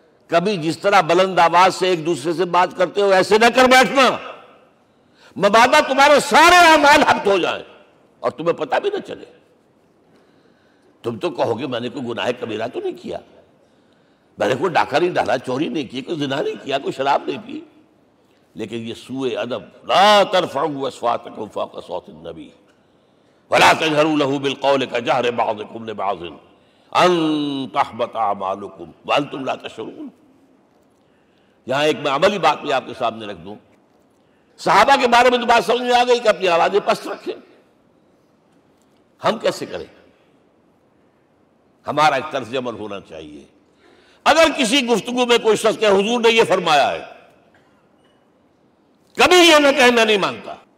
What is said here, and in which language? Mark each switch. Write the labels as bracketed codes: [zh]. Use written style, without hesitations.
[ur] کبھی جس طرح بلند آواز سے ایک دوسرے سے بات کرتے ہو ایسے نہ کر بیٹھنا, مبادہ تمہارے سارے اعمال ہبت ہو جائیں اور تمہیں پتہ بھی نہ چلے. تم تو کہو گے میں نے کوئی گناہ کبیرہ تو نہیں کیا, میں نے کوئی ڈاکہ نہیں ڈالا, چوری نہیں کی, کوئی زنا نہیں کیا, کوئی شراب نہیں پی. لیکن یہ سوء ادب, [ar] لا ترفعوا اصواتکم فوق صوت النبی ولا تجهروا له بالقول كجهر بعضكم لبعض ان تحبط اعمالكم وانتم لا تشعرون. [ur] یہاں ایک میں عملی بات بھی آپ کے سامنے رکھ دوں. صحابہ کے بارے میں تو بات سمجھ میں آ گئی کہ اپنی آوازیں پست رکھیں. ہم کیسے کریں؟ ہمارا ایک طرز عمل ہونا چاہیے. اگر کسی گفتگو میں کوئی شخص کہ حضور نے یہ فرمایا ہے, کبھی یہ نہ کہنا نہیں مانتا.